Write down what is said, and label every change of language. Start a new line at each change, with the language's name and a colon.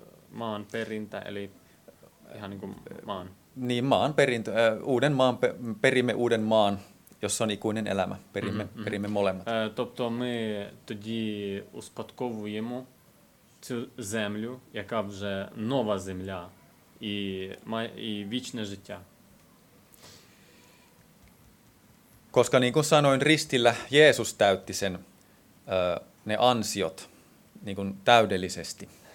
Finnish: Maan perintö, eli ihan niin kuin maan. Niin, maan perintö. Uuden maan, perimme uuden maan jos on ikuinen elämä, perimme, mm-hmm. perimme molemmat.
Ukrainian: Тобто ми тоді успадковуємо цю землю, яка вже нова земля і вічне життя.
Finnish: Koska niin kuin sanoin, ristillä Jeesus täytti sen ne ansiot niin kuin täydellisesti.